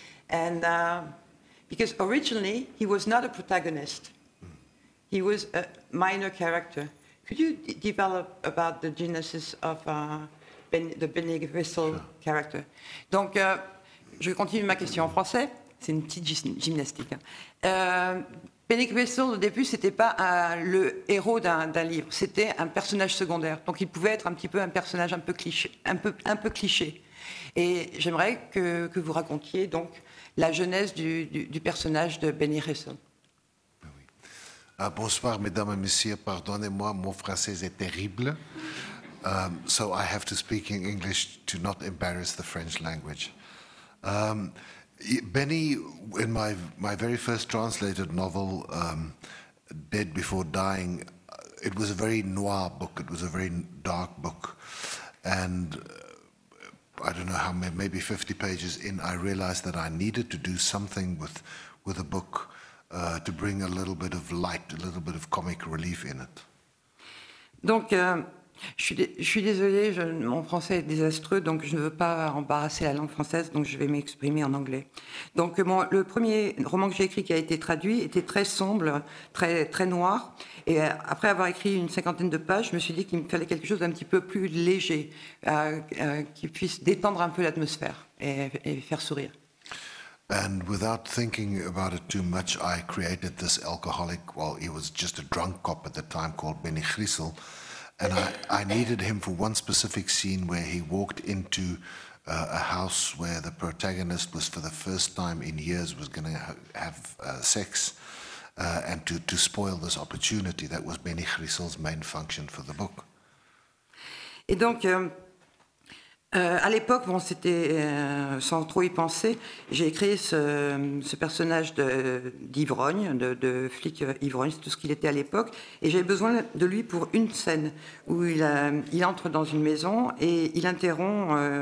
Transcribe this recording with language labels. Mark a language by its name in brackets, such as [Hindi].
[English] And because originally he was not a protagonist, he was a minor character. Could you develop about the genesis of the Benny Gristle character? [French] Donc, je continue ma question en français. C'est une petite gymnastique. Benny Gristle, au début, c'était pas le héros d'un livre. C'était un personnage secondaire. Donc, il pouvait être un petit peu un personnage un peu cliché. Et j'aimerais que vous racontiez donc la genèse du personnage de Benny Russell. Oui. Bonsoir, mesdames et messieurs. Pardonnez-moi, mon français est terrible. [English] So I have to speak in English to not embarrass the French language. Benny, in my very first translated novel, Dead Before Dying, it was a very noir book. It was a very dark book, and I don't know how many, maybe 50 pages in, I realized that I needed to do something with a book to bring a little bit of light, a little bit of comic relief in it. [French] Donc, je suis désolée, mon français est désastreux, donc je ne veux pas embarrasser la langue française, donc je vais m'exprimer en anglais. Donc, le premier roman que j'ai écrit qui a été traduit était très sombre, très, très noir, et après avoir écrit une cinquantaine de pages, je me suis dit qu'il me fallait quelque chose d'un petit peu plus léger, qui puisse détendre un peu l'atmosphère et faire sourire. [English] And without thinking about it too much, I created this alcoholic, well, he was just a drunk cop at the time, called Benny Gristle. And I needed him for one specific scene where he walked into a house where the protagonist was for the first time in years was going to have sex and to spoil this opportunity. That was Benny Gristle's main function for the book. [French] Et donc, À l'époque, bon, c'était sans trop y penser, j'ai créé ce personnage d'ivrogne, de flic ivrogne, c'est tout ce qu'il était à l'époque, et j'avais besoin de lui pour une scène où il entre dans une maison et il interrompt,